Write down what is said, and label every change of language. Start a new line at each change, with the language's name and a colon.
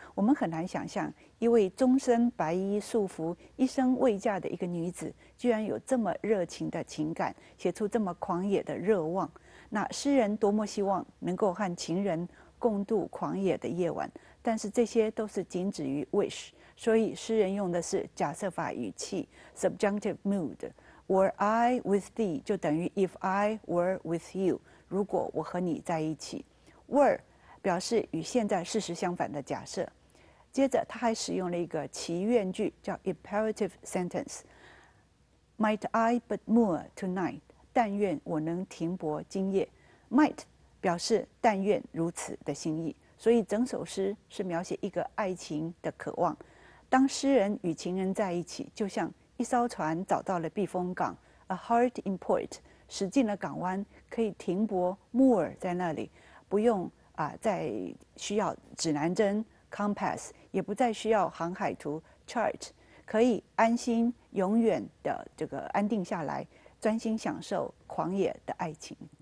Chinese: 我们很难想象一位终身白衣束缚、一生未嫁的一个女子，居然有这么热情的情感，写出这么狂野的热望。那诗人多么希望能够和情人共度狂野的夜晚，但是这些都是仅止于 wish， 所以诗人用的是假设法语气 subjunctive mood。
English: Were I with thee
Chinese: 就等于
English: if I were with you，
Chinese: 如果我和你在一起。 Were 表示与现在事实相反的假设。接着他还使用了一个祈愿句叫 imperative sentence。
English: Might I but moor tonight，
Chinese: 但愿我能停泊今夜。 Might 表示但愿如此的心意。所以整首诗是描写一个爱情的渴望。当诗人与情人在一起，就像一艘船找到了避风港 ，
English: a heart in port，
Chinese: 驶进了港湾，可以停泊 moor 在那里，不用再需要指南针 compass， 也不再需要航海图 chart， 可以安心永远的这个安定下来，专心享受狂野的爱情。